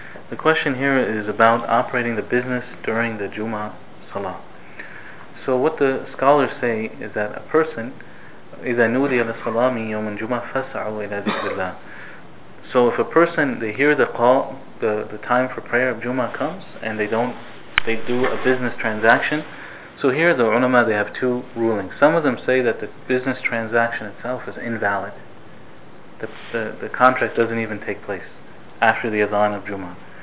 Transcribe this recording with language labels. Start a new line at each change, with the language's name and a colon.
English: The question here is about operating the business during the Jummah Salah. So what the scholars say is that a person,
Arabic: إِذَا نُودِيَ لَصَلَاةٍ مِنْ يَوْمٍ جُمَعَةٍ فَاسْعَوْا إِلَى ذِكْرِ اللَّهِ.
English: So if a person, they hear the call, the time for prayer of Jummah comes, and they do a business transaction. So here the ulama, they have two rulings. Some of them say that the business transaction itself is invalid. The contract doesn't even take place after the adhan of Jummah.